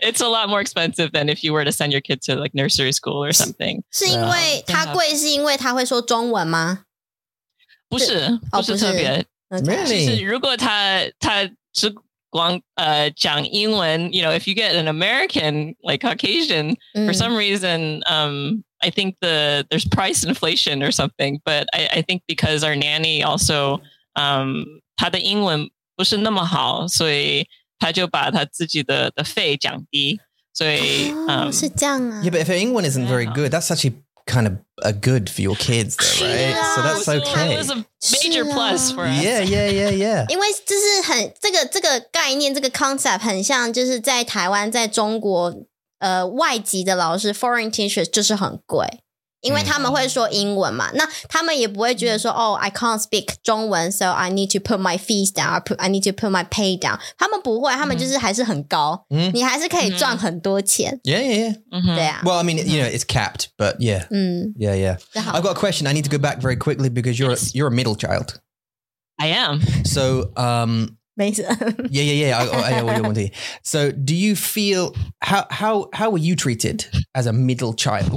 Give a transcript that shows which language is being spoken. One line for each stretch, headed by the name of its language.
English: it's a lot more expensive than if you were to send your kid to like nursery school or something.
Chinese: 是因为他贵，是因为他会说中文吗？不是，不是特别。其实如果他是。讲英文,
English: you know, if you get an American, like Caucasian, for some reason, I think there's price inflation or something, but I think because our nanny also,
Chinese: 她的英文不是那么好, 所以
English: 她就把她自己的费降低, 所以, Yeah, but if her English isn't very good, that's actually kind of a good for your kids though, right? Yeah, so that's okay. It was a major plus for us. Yeah.
Chinese: 因为这个概念,这个 concept很像就是在台湾,在中国,外籍的老师,
English: foreign teachers
Chinese: 就是很贵。因为他们会说英文嘛, 那他们也不会觉得说,
English: oh, I can't speak 中文, so I need to put my fees down, I need to put my pay down.
Chinese: 他们不会, 他们就是还是很高, 你还是可以赚很多钱。
English: Yeah. Well, I mean, you know, it's capped, but yeah. Yeah. I've got a question. I need to go back very quickly because you're a middle child. I am. So, Yeah. So do you feel how were you treated as a middle child?